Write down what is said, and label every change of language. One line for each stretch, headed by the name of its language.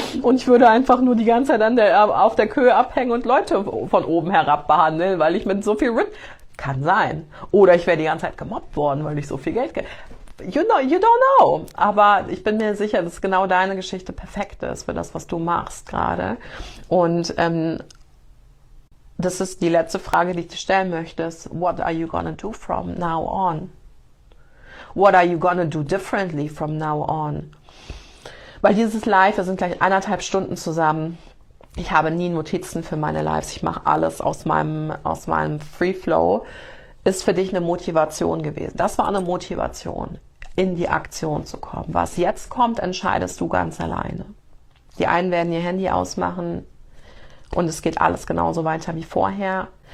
German: Und ich würde einfach nur die ganze Zeit auf der Köhe abhängen und Leute von oben herab behandeln, weil ich mit so viel. Kann sein. Oder ich wäre die ganze Zeit gemobbt worden, weil ich so viel Geld.
English: You don't know.
German: Aber ich bin mir sicher, dass genau deine Geschichte perfekt ist für das, was du machst gerade. Und Das ist die letzte Frage, die ich dir stellen möchtest.
English: What are you gonna do from now on? What are you gonna do differently from now on?
German: Weil dieses Live, wir sind gleich 1,5 Stunden zusammen. Ich habe nie Notizen für meine Lives. Ich mache alles aus meinem Free Flow. Ist für dich eine Motivation gewesen? Das war eine Motivation, in die Aktion zu kommen. Was jetzt kommt, entscheidest du ganz alleine. Die einen werden ihr Handy ausmachen und es geht alles genauso weiter wie vorher.